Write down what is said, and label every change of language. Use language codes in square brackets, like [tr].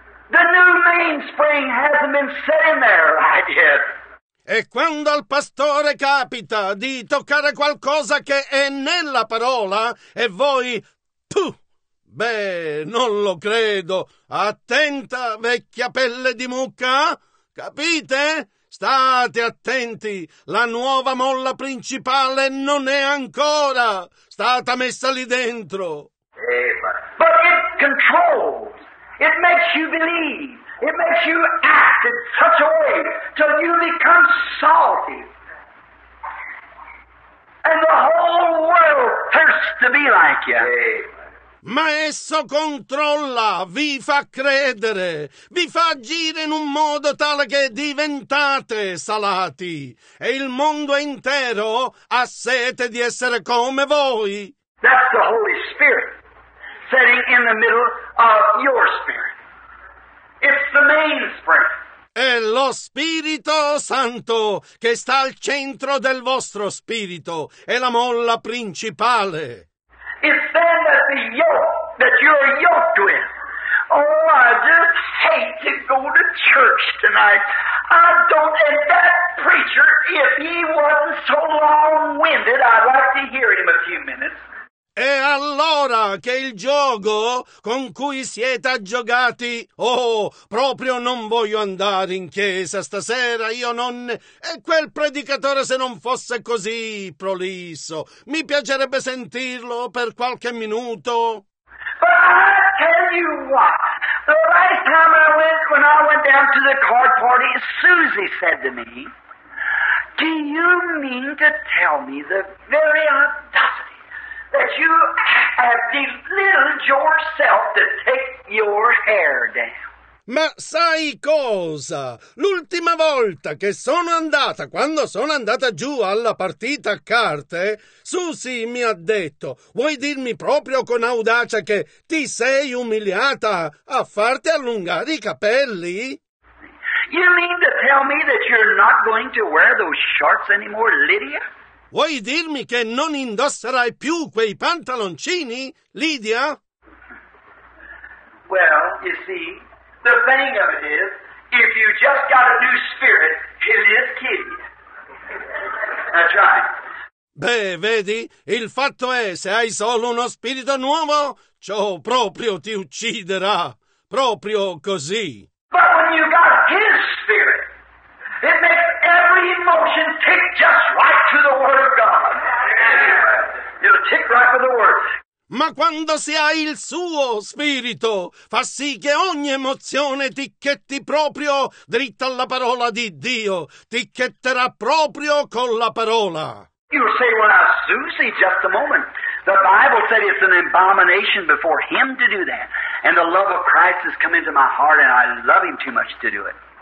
[en] The new mainspring hasn't been set in there right yet. [it] E quando al pastore capita di toccare qualcosa che è nella parola e voi, puh, beh, non lo credo. Attenta, vecchia pelle di mucca, capite? State attenti, la nuova molla principale non è ancora stata messa lì dentro. [en] But it controls, it makes you believe. It makes you act in such a way till you become salty. And the whole world thirsts to be like you. [it] Ma esso controlla, vi fa credere, vi fa agire in un modo tale che diventate salati. E il mondo intero ha sete di essere come voi. [en] That's the Holy Spirit sitting in the middle of your spirit. It's the mainspring. [it] È lo Spirito Santo che sta al centro del vostro spirito. È la molla principale. [en] It's then that the yoke that you're yoked with. Oh, I just hate to go to church tonight. I don't, and that preacher, if he wasn't so long-winded, I'd like to hear him a few minutes. [it] È allora che il giogo con cui siete aggiogati, oh, proprio non voglio andare in chiesa stasera, io non, e quel predicatore se non fosse così prolisso, mi piacerebbe sentirlo per qualche minuto. [en] But I tell you what, the last time I went, when I went down to the card party, Susie said to me, do you mean to tell me the very audacity that you have belittled yourself to take your hair down? [it] Ma sai cosa? L'ultima volta che sono andata, quando sono andata giù alla partita a carte, Susie mi ha detto, vuoi dirmi proprio con audacia che ti sei umiliata a farti allungare i capelli? [en] You mean to tell me that you're not going to wear those shorts anymore, Lydia? [it] Vuoi dirmi che non indosserai più quei pantaloncini, Lydia? [en] Well, you see, the thing of it is, if you just got a new spirit, it is kidding. That's right. [it] Beh, vedi, il fatto è, se hai solo uno spirito nuovo, ciò proprio ti ucciderà. Proprio così. [en] But when you got his spirit, it makes every emotion tick just right to the word of God. It'll tick right with the word. [it] Ma quando si ha il suo spirito, fa sì che ogni emozione ticchetti proprio dritta alla parola di Dio. Ticchetterà proprio con la parola. [en] You say, well, Susie, just a moment. The Bible said it's an abomination before him to do that. And the love of Christ has come into my heart and I love him too much to do it.